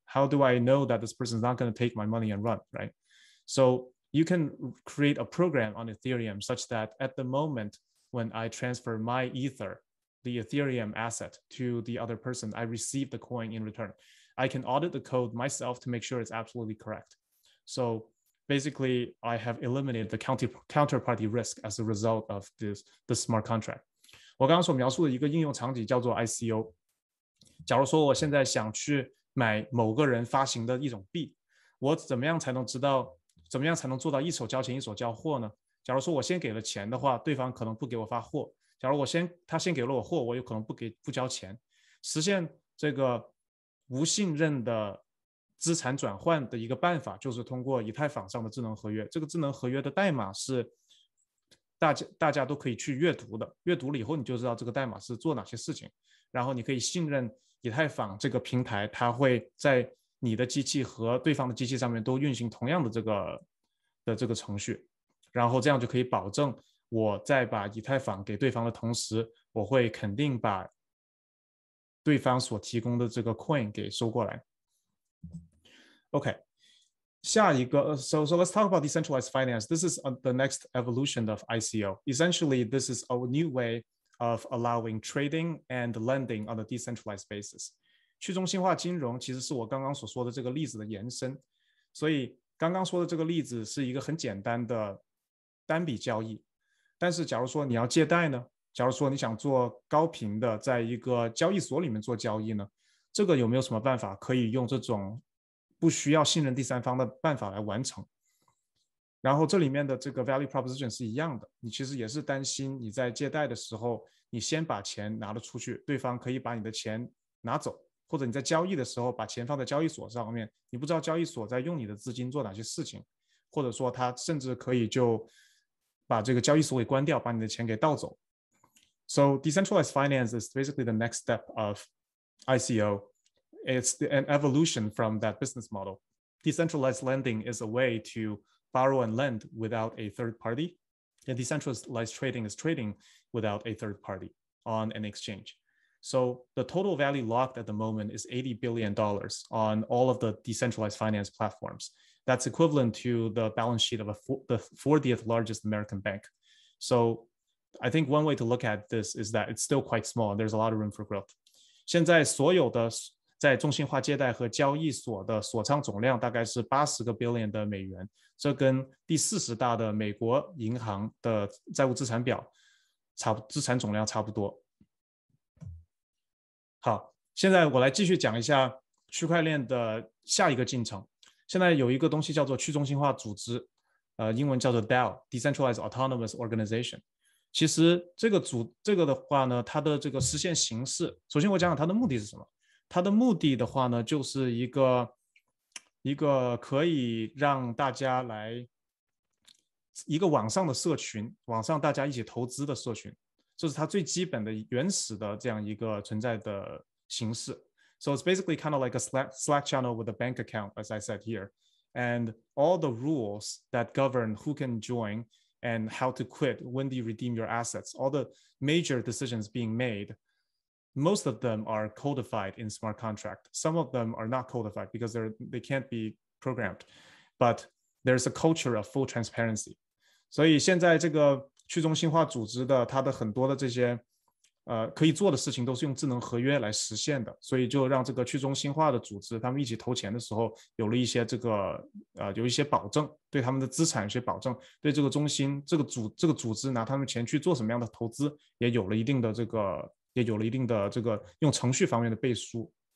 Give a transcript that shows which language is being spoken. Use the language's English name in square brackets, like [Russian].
[English] How do I know that this person is not going to take my money and run, right? So you can create a program on Ethereum such that at the moment,when I transfer my Ether, the Ethereum asset, to the other person, I receive the coin in return. I can audit the code myself to make sure it's absolutely correct. So basically, I have eliminated the counterparty risk as a result of this smart contract. [Chinese] 我刚刚所描述的一个应用场景叫做 ICO. 假如说我现在想去买某个人发行的一种币，我怎么样才能知道，怎么样才能做到一手交钱一手交货呢？假如说我先给了钱的话，对方可能不给我发货。假如他先给了我货，我有可能不交钱。实现这个无信任的资产转换的一个办法，就是通过以太坊上的智能合约。这个智能合约的代码是大家都可以去阅读的，阅读了以后你就知道这个代码是做哪些事情，然后你可以信任以太坊这个平台，它会在你的机器和对方的机器上面都运行同样的这个程序，然后这样就可以保证我在把以太坊给对方的同时，我会肯定把对方所提供的这个 coin 给收过来。 [English] OK， [Chinese] 下一个 [English] ，so let's talk about decentralized finance. This is the next evolution of ICO. Essentially, this is a new way of allowing trading and lending on a decentralized basis. [Chinese] 去中心化金融其实是我刚刚所说的这个例子的延伸，所以刚刚说的这个例子是一个很简单的单笔交易，但是假如说你要借贷呢？假如说你想做高频的在一个交易所里面做交易呢？这个有没有什么办法可以用这种不需要信任第三方的办法来完成？然后这里面的这个 value proposition 是一样的，你其实也是担心你在借贷的时候你先把钱拿了出去，对方可以把你的钱拿走，或者你在交易的时候把钱放在交易所上面，你不知道交易所在用你的资金做哪些事情，或者说他甚至可以就把这个交易所给关掉，把你的钱给盗走。 [English] So decentralized finance is basically the next step of ICO. It's an evolution from that business model. Decentralized lending is a way to borrow and lend without a third party. And decentralized trading is trading without a third party on an exchange. So the total value locked at the moment is $80 billion on all of the decentralized finance platforms. That's equivalent to the balance sheet of the 40th largest American bank. So I think one way to look at this is that it's still quite small. There's a lot of room for growth. [Chinese] 现在所有的在中心化借贷和交易所的锁仓总量大概是80个 billion 的美元，这跟第40大的美国银行的债务资产表资产总量差不多。好，现在我来继续讲一下区块链的下一个进程。现在有一个东西叫做去中心化组织，英文叫做 DAO, Decentralized Autonomous Organization。其实这个的话呢，它的这个实现形式，首先我讲讲它的目的是什么。它的目的的话呢，就是一个可以让大家来一个网上的社群，网上大家一起投资的社群。这是它最基本的原始的这样一个存在的形式。 [English] So it's basically kind of like a Slack channel with a bank account, as I said here. And all the rules that govern who can join and how to quit, when do you redeem your assets, all the major decisions being made, most of them are codified in smart contract. Some of them are not codified because they can't be programmed. But there's a culture of full transparency. [Chinese] 所以现在这个去中心化组织的它的很多的这些可以做的事情都是用智能合约来实现的，所以就让这个去中心化的组织他们一起投钱的时候有了一些这个有一些保证，对他们的资产有些保证，对这个中心这个组织拿他们钱去做什么样的投资也有了一定的这个用程序方面的背书。